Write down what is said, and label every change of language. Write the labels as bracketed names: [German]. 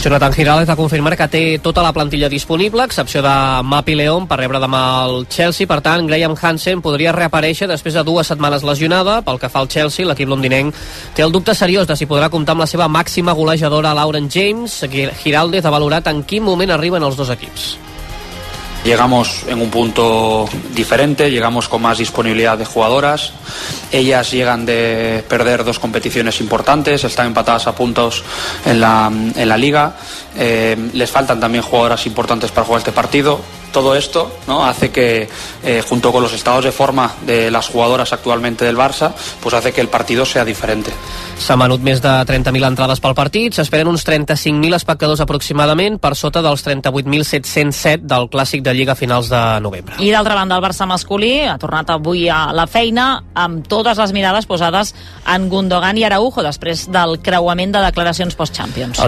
[Catalan] Jonathan Giralles va confirmar que té tota la plantilla disponible, a excepció de Mapi León, per rebre demà el Chelsea. Per tant, Graham Hansen podria reaparèixer després de dues setmanes lesionada. Pel que fa al Chelsea, l'equip londinenc té el dubte seriós de si podrà comptar amb la seva màxima golejadora, Lauren James. Giralles ha valorat en quin moment arriben els dos equips. [Spanish] Llegamos en un punto diferente, llegamos con más disponibilidad de jugadoras. Ellas llegan de perder dos competiciones importantes, están empatadas a puntos en la liga. Les faltan también jugadoras importantes para jugar este partido. Todo esto, ¿no?, hace que, junto con los estados de forma de las jugadoras actualmente del Barça, pues hace que el partido sea diferente. [Catalan] S'han venut més de 30.000 entrades pel partit, s'esperen uns 35.000 espectadors aproximadament, per sota dels 38.707 del clàssic de Lliga a finals de novembre. I d'altra banda, el Barça masculí ha tornat avui a la feina amb totes les mirades posades en Gundogan i Araujo, després del creuament de declaracions post-Champions.